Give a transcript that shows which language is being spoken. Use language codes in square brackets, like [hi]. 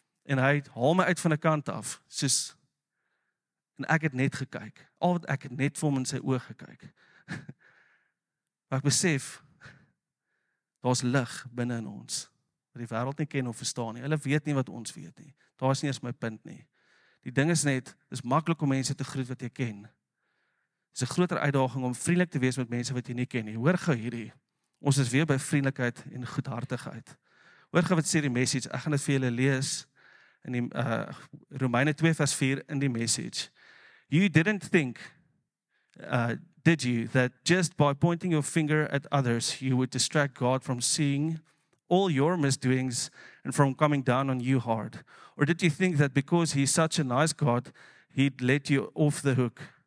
[af] En hy haal my uit van die kant af, soos, en ek het net gekyk, al wat ek het net vir hom in sy oog gekyk. Maar ek besef, daar is lig binne in ons, wat die wêreld nie ken of verstaan nie, hulle weet nie wat ons weet nie, daar is nie eens my punt nie. Die ding is net, is makkelijk om mense te groet wat jy ken. Is een groter uitdaging om vriendelijk te wees met mense wat jy nie ken nie. Hoor gou hierdie, ons is weer by vriendelijkheid en goedhartigheid. Hoor gou wat sê die message, ek gaan dit vir julle lees, in die Romeine 2 vers 4 in die message. [en] You didn't think, did you, that just by pointing your finger at others, you would distract God from seeing all your misdoings and from coming down on you hard? Or did you think that because he's such a nice God, he'd let you off the hook?